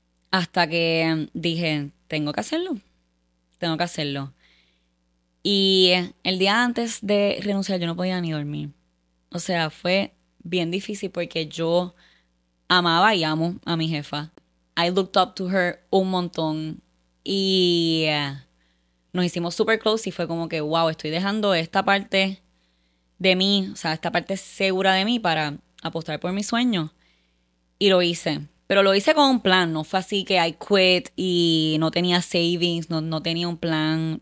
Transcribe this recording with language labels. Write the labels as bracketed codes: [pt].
[es] Hasta que dije, tengo que hacerlo. Y el día antes de renunciar, yo no podía ni dormir. O sea, fue bien difícil porque yo amaba y amo a mi jefa. [en] I looked up to her [es] un montón. Y nos hicimos [en] super close [es] y fue como que, wow, estoy dejando esta parte de mí, o sea, esta parte segura de mí para apostar por mi sueño. Y lo hice. Pero lo hice con un plan. No fue así que [en] I quit [es] y no tenía savings, no tenía un plan.